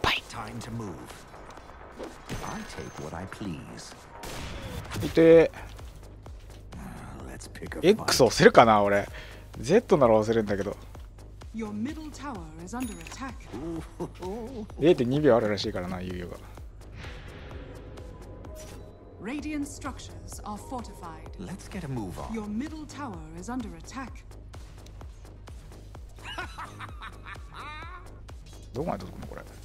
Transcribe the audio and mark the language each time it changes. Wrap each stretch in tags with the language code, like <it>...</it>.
<en>Time to move. I take what I please.</en> <ja>いて。 X 押せるかな、俺。 Z なら押せるんだけど。</ja> <en>Your middle tower is under attack.</en> <ja>0.2 秒あるらしいからな、猶予が。</ja> <en>Radiant structures are fortified. Let's get a move on. Your middle tower is under attack.</en> <ja>どこまで届くのこれ。</ja>